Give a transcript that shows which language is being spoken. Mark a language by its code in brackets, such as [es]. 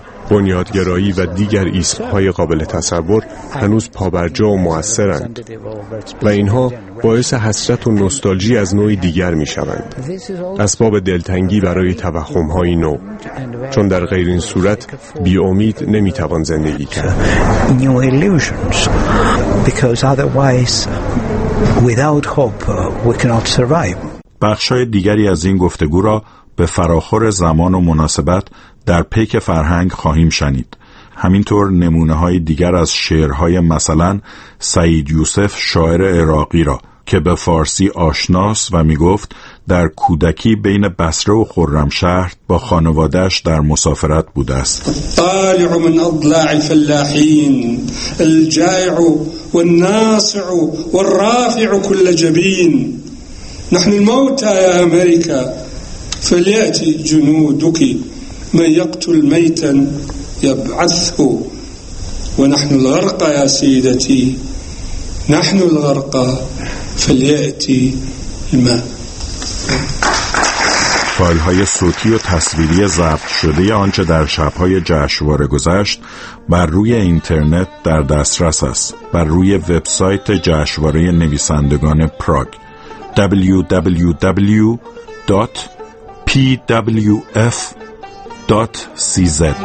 [fa] بنیادگرایی و دیگر اسم‌های قابل تصور هنوز پابرجا و مؤثرند، و اینها باعث حسرت و نوستالژی از نوعی دیگر می‌شوند، اسباب دلتنگی برای توهم‌های نو، چون در غیر این صورت بی امید نمی‌توان زندگی کرد. [en] New illusions, because otherwise without hope we cannot survive. [fa] بخش‌های دیگری از این گفتگو را به فراخور زمان و مناسبت در پیک فرهنگ خواهیم شنید. همینطور نمونه های دیگر از شعرهای مثلا سعید یوسف شاعر عراقی را که به فارسی آشناس و می گفت در کودکی بین بصره و خرمشهر با خانوادهش در مسافرت بوده است. [ar] طالع من اضلاع الفلاحین الجائع والناسع والرافع كل جبین نحن الموتى يا امريكا فلياتي جنودك من يقتل ميتا يبعثه ونحن الغرقى يا سيدتي نحن الغرقى فلياتي الماء. [fa] فایل های صوتی و تصویری ضبط شده آنچه در شب های جشنواره گذشت بر روی اینترنت در دسترس است، بر روی وبسایت جشنواره نویسندگان پراگ www.pwf.cz.